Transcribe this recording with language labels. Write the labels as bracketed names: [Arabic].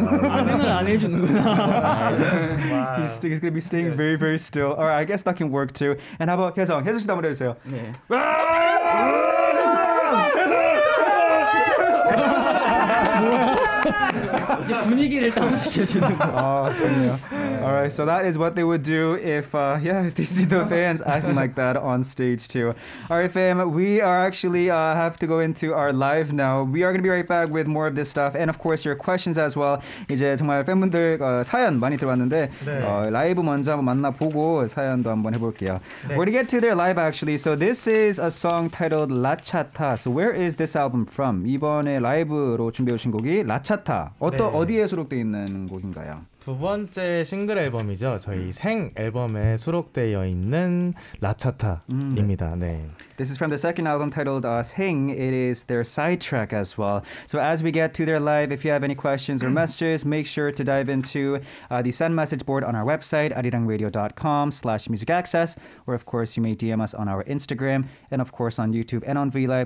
[Korean] 아는 안 해주는구나. [English] He's gonna be staying very, very still. Alright, I guess that can work too. And how about 혜성, 혜성 씨도 한번 해주세요. [Korean] 네. 이제 분위기를 다운시켜주는 거. 아, 좋네요. [English] Alright, so that is what they would do if, yeah, if they see the fans acting like that on stage too. Alright, fam, we are actually have to go into our live now. We are going to be right back with more of this stuff and, of course, your questions as well. [Korean] 이제 정말 팬분들 사연 많이 들어왔는데 네. 라이브 먼저 한번 만나보고 사연도 한번 해볼게요. 네. [English] We're going to get to their live, actually. So this is a song titled La Chata. So where is this album from? [Korean] 이번에 라이브로 준비해오신 곡이 La Chata. 어떤 네. 어디에 수록되어 있는 곡인가요? 두 번째 싱글 앨범이죠. 저희 생 앨범에 수록되어 있는 라차타입니다. 네. [English] This is from the second album titled 생. It is their side track as well. So as we get to their live, if you have any questions or messages, make sure to dive into the send message board on our website, arirangradio.com/musicaccess, or of course you may DM us on our Instagram, and of course on YouTube and on VLive.